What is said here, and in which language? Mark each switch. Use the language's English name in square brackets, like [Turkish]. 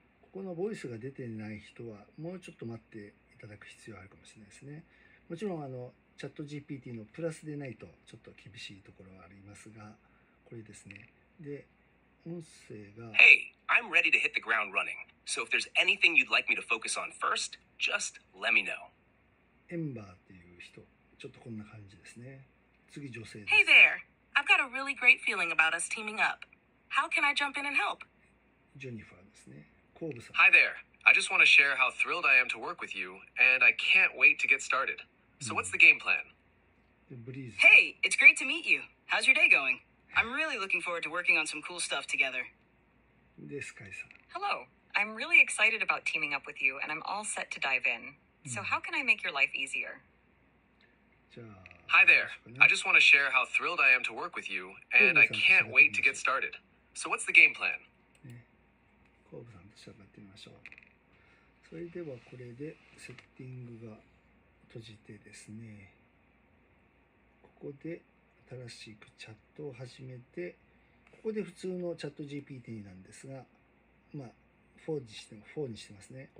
[Japanese] ここのボイスが出ていない人はもうちょっと待っていただく必要があるかもしれないですね。もちろんChatGPT のプラスでないとちょっと厳しいところはありますが、これですね。で、音声が [English] Hey, I'm ready to hit the ground running. So if there's anything you'd like me to focus on first, just let me know. [Japanese] エンバーっていう人、ちょっとこんな感じですね。次女性です。 [English] Hey there, I've got a really great feeling about us teaming up. How can I jump in and help? [Japanese] ジェニファーですね。コーブさん。 [English] Hi there, I just want to share how thrilled I am to work with you, and I can't wait to get started. So what's the game plan? Hey, it's great to meet you. How's your day going? I'm really looking forward to working on some cool stuff together. Hello. I'm really excited about teaming up with you, and I'm all set to dive in. So how can I make your life easier? Hi there. I just want to share how thrilled I am to work with you, and I can't wait to get started. So what's the game plan? [Japanese] Kobe-san と喋ってみましょう。それではこれでセッティングが閉じてですね、ここで新しくチャットを始めて、ここで普通のチャット GPT なんですが、まあ4にしても4にしてますね。